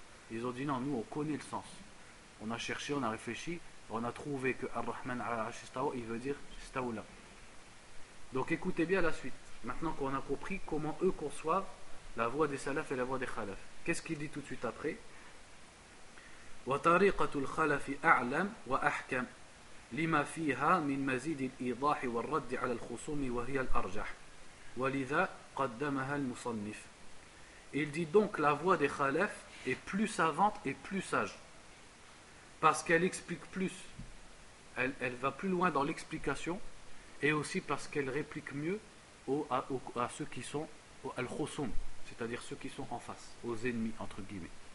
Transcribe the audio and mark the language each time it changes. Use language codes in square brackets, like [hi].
[fr] Ils ont dit, non, nous, on connaît le sens. On a cherché, on a réfléchi, on a trouvé que Ar-Rahman al-Ashistawa, il veut dire Staoula. Donc écoutez bien la suite. Maintenant qu'on a compris comment eux conçoivent la voie des salafs et la voie des khalafs, qu'est-ce qu'il dit tout de suite après? [ar] وطريقه الخلف اعلم واحكم لما فيها من مزيد الايضاح والرد على الخصوم وهي الارجح ولذا قدمها المصنف. [fr] Il dit donc la voie des khalafs est plus savante et plus sage parce qu'elle explique plus, elle va plus loin dans l'explication et aussi parce qu'elle réplique mieux à ceux qui sont al-khusum, c'est-à-dire ceux qui sont en face, aux ennemis, entre guillemets.